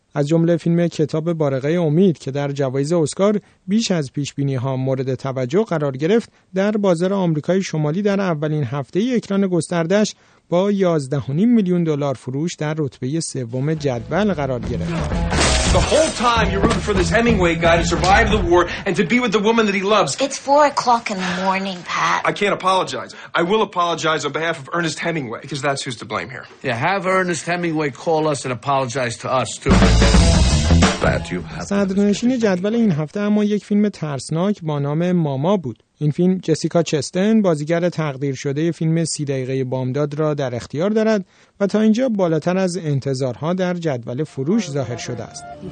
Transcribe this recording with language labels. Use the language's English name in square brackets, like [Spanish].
[Persian] از جمله فیلم کتاب بارقه امید که در جوایز اسکار بیش از پیش‌بینی‌ها مورد توجه قرار گرفت، در بازار آمریکای شمالی در اولین هفته اکران گسترده‌اش با 11.5 میلیون دلار فروش در رتبه سوم جدول قرار گرفت. [English] The whole time you're rooting for this Hemingway guy to survive the war and to be with the woman that he loves. It's 4 o'clock in the morning, Pat. I can't apologize. I will apologize on behalf of Ernest Hemingway, because that's who's to blame here. Yeah, have Ernest Hemingway call us and apologize to us, too. [Persian] صدرنشین جدول این هفته اما یک فیلم ترسناک با نام ماما بود. این فیلم جسیکا چستن، بازیگر تقدیر شده فیلم 30 دقیقه بامداد را در اختیار دارد و تا اینجا بالاتر از انتظارها در جدول فروش ظاهر شده است.